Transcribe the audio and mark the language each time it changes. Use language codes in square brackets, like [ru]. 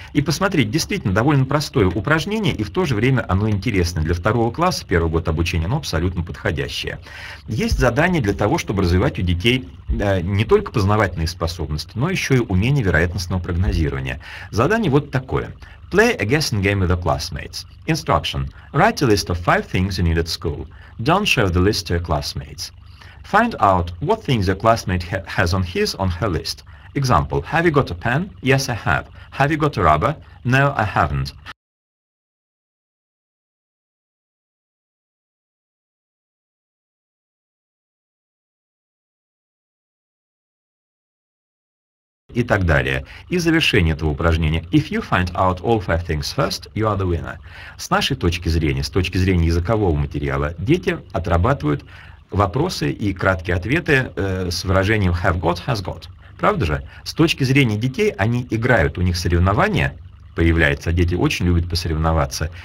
[ru] И посмотреть, действительно, довольно простое упражнение, и в то же время оно интересное. Для второго класса, первый год обучения, оно абсолютно подходящее. Есть задание для того, чтобы развивать у детей не только познавательные способности, но еще и умение вероятностного прогнозирования. Задание вот такое. [en] Play a guessing game with your classmates. Instruction. Write a list of five things you need at school. Don't show the list to your classmates. Find out what things your classmate has on his or her list. Example. Have you got a pen? Yes, I have. Have you got a rubber? No, I haven't. [ru] И так далее. И завершение этого упражнения. [en] If you find out all five things first, you are the winner. [ru] С нашей точки зрения, с точки зрения языкового материала, дети отрабатывают вопросы и краткие ответы с выражением [en] have got, has got. [ru] Правда же? С точки зрения детей, они играют, у них соревнования появляются, а дети очень любят посоревноваться.